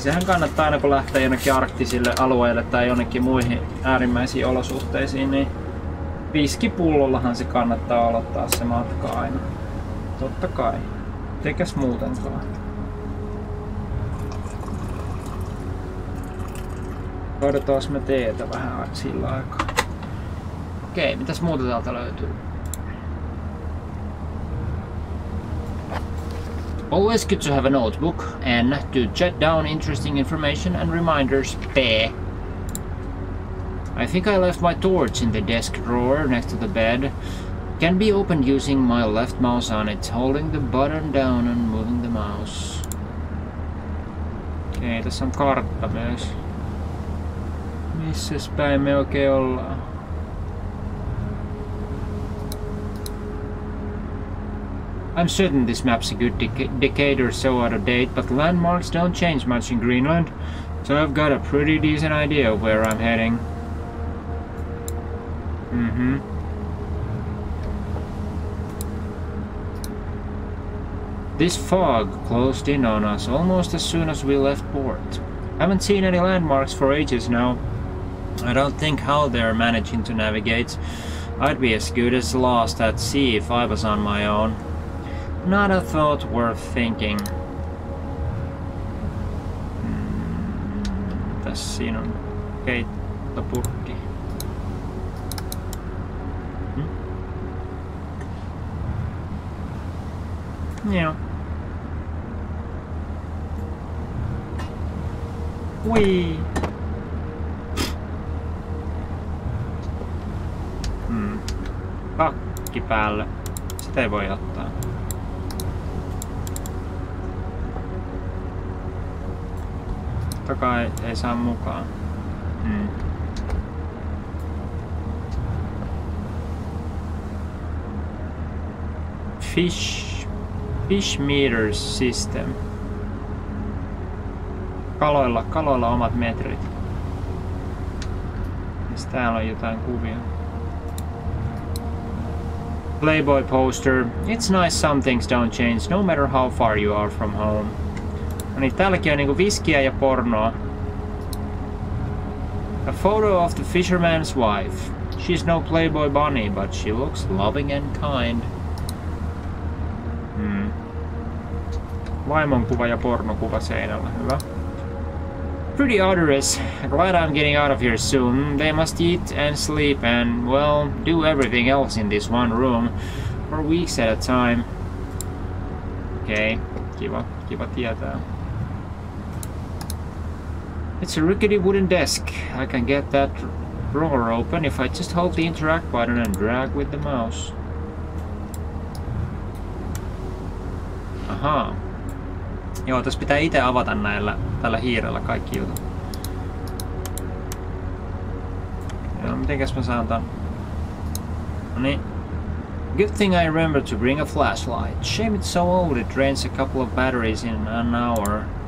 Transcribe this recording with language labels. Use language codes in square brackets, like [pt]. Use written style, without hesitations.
[fi] Sehän kannattaa aina kun lähtee jonnekin arktisille alueille tai jonnekin muihin äärimmäisiin olosuhteisiin, niin whiskypullollahan se kannattaa aloittaa se matka aina. Totta kai. Tekäs muutenkaan. Odotaas me teetä vähän sillä aikaa. Okei, mitäs muuta täältä löytyy? [en] Always good to have a notebook and to jot down interesting information and reminders. I think I left my torch in the desk drawer next to the bed. Can be opened using my left mouse on it, holding the button down and moving the mouse. [fi] Okei, tässä on kartta myös. Missäs päin me oikein ollaan? [en] I'm certain this map's a good decade or so out of date, but landmarks don't change much in Greenland, so I've got a pretty decent idea of where I'm heading. Mm-hmm. This fog closed in on us almost as soon as we left port. Haven't seen any landmarks for ages now. I don't think how they're managing to navigate. I'd be as good as lost at sea if I was on my own. Not a thought worth thinking. [fi] Tässä siinä on keittopurkki. Joo. Uii! Takki päälle. Sitä ei voi ottaa. Totta kai ei saa mukaan. [en] Fish meter system. [fi] Kaloilla omat metrit. Mistä täällä on jotain kuvia? [en] Playboy poster. It's nice some things don't change no matter how far you are from home. [fi] No niin, täälläkin on niinku viskiä ja pornoa. [en] A photo of the fisherman's wife. She's no playboy bunny, but she looks loving and kind. [fi] Vaimon kuva ja pornokuva seinällä, hyvä. [en] Pretty odorous. Glad I'm getting out of here soon. They must eat and sleep and, well, do everything else in this one room. For weeks at a time. [fi] Okei, kiva tietää. [en] It's a rickety wooden desk. I can get that drawer open if I just hold the interact button and drag with the mouse. Aha. [fi] Joo, tässä pitää itse avata tällä hiirellä kaikki jutut. Joo, mitenkäs mä saan tän? Noniin. [en] Good thing I remember to bring a flashlight. Shame it's so old, it drains a couple of batteries in an hour.